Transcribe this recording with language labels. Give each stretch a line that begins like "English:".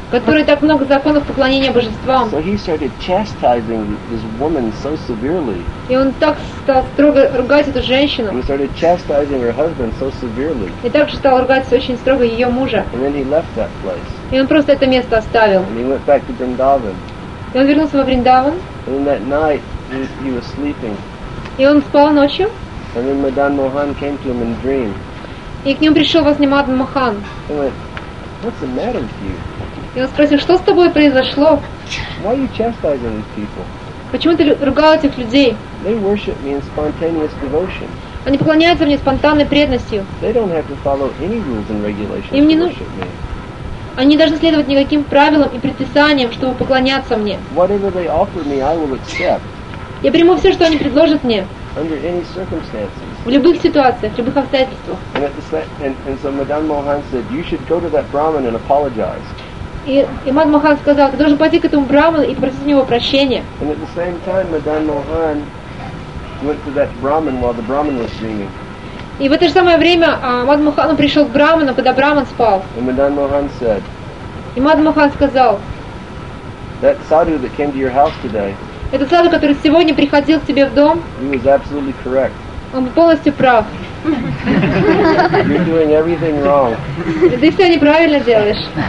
Russian: который так много законов поклонения божествам.
English: So he started chastising this woman so severely.
Russian: И он так стал строго ругать эту женщину.
English: He started chastising her husband so severely.
Russian: И также стал ругать очень строго ее мужа.
English: And then he left that place.
Russian: И он просто это место оставил.
English: And he went back to Vrindavan.
Russian: И он вернулся во Вриндаван.
English: And then that night he was sleeping.
Russian: И он спал ночью.
English: And then Madan Mohan came to him in a dream.
Russian: И к нему пришел во сне Мадан Мохан.
English: He went, "What's the matter with you?"
Russian: И он спросил, что с тобой произошло?
English: Why are you chastising these people?
Russian: Почему ты ругал этих людей?
English: They worship me in spontaneous devotion.
Russian: Они поклоняются мне спонтанной преданностью.
English: They don't have to follow any rules and regulations.
Russian: Им не нужно. Они не должны следовать никаким правилам и предписаниям, чтобы поклоняться мне.
English: Whatever they offer me, I will accept.
Russian: Я приму все, что они предложат мне.
English: Under any circumstances.
Russian: В любых ситуациях, в любых обстоятельствах.
English: And so Madan Mohan said, you should go to that Brahmin and apologize.
Russian: И Мадан Мохан сказал, ты должен пойти к этому Брахману и попросить у него прощения.
English: And at the same time, Madan Mohan went to that Brahmin while the Brahmin was dreaming.
Russian: И в это же самое время Мадан Мохан пришел к Брахману, когда Брахман спал.
English: And Madan Mohan said.
Russian: И Мадан Мохан сказал.
English: That sadhu that came to your house today.
Russian: Этот сад, который сегодня приходил к тебе в дом,
English: he was absolutely correct.
Russian: Он полностью прав.
English: You're doing everything wrong.
Russian: Ты все неправильно делаешь.